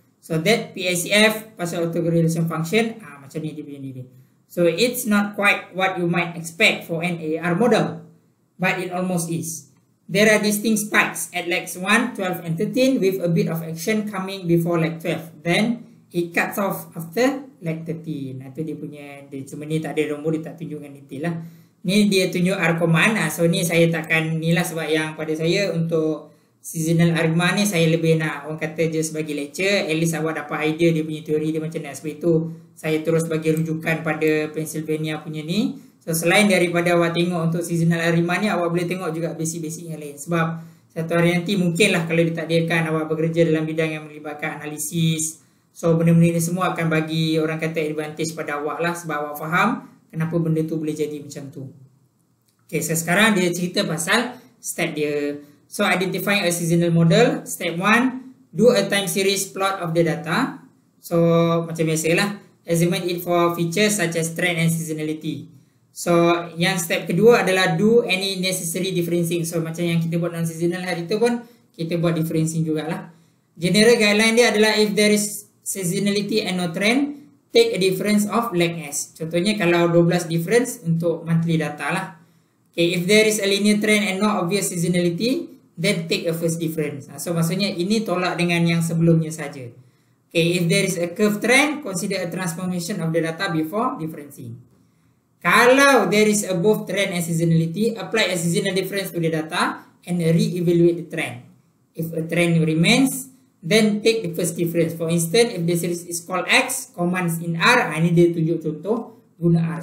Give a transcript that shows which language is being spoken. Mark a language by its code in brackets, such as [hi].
[ms] So, that PSAF, partial autocorrelation function, macam ni dia punya ni. [en] So, it's not quite what you might expect for an AR model. But it almost is. There are distinct spikes at legs 1, 12 and 13 with a bit of action coming before leg 12. Then, it cuts off after leg 13. [ms] Itu dia punya, dia cuma ni tak ada nombor, dia tak tunjuk dengan detail lah. Ni dia tunjuk arkoman. So, ni saya takkan ni lah sebab yang pada saya untuk seasonal ARIMA ni saya lebih nak orang kata je sebagai lecture. At least awak dapat idea dia punya teori dia macam mana. Sebab itu, saya terus bagi rujukan pada Pennsylvania punya ni. So, selain daripada awak tengok untuk seasonal ARIMA ni, awak boleh tengok juga basic-basic yang lain. Sebab satu hari nanti mungkinlah kalau ditakdirkan awak bekerja dalam bidang yang melibatkan analisis. So, benda-benda ni semua akan bagi orang kata advantage pada awak lah sebab awak faham kenapa benda tu boleh jadi macam tu. Okay, so sekarang dia cerita pasal step dia. [en] So, identifying a seasonal model. Step 1, do a time series plot of the data. [ms] So, macam biasa lah. [en] Examine it for features such as trend and seasonality. [ms] So, yang step kedua adalah [en] do any necessary differencing. [ms] So, macam yang kita buat non-seasonal hari tu pun, kita buat differencing jugalah. [en] General guideline [ms] dia adalah [en] if there is seasonality and no trend, take a difference of leg S. [ms] Contohnya kalau 12 difference untuk monthly data lah. [en] Okay, if there is a linear trend and no obvious seasonality, then take a first difference. [ms] So, maksudnya ini tolak dengan yang sebelumnya saja. [en] Okay, if there is a curve trend, consider a transformation of the data before differencing. [ms] Kalau [en] there is a both trend and seasonality, apply a seasonal difference to the data and re-evaluate the trend. If a trend remains, then take the first difference. For instance, if the series is called X, commands in R, [ms] ini dia tunjuk contoh guna R.